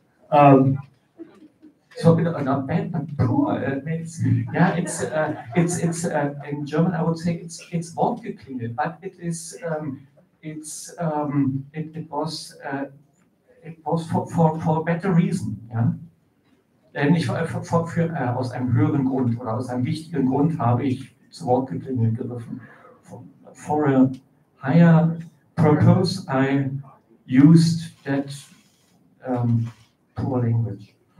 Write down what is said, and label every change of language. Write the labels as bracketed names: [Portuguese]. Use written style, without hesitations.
[English] not bad, but poor. It's in German, I would say it's Wortgeklingel, but it was for a better reason. Yeah. [German] Nicht aus einem höheren Grund oder aus einem wichtigen Grund habe ich zu Wort geklingelt gegriffen. [English] For a higher purpose, I used that poor language.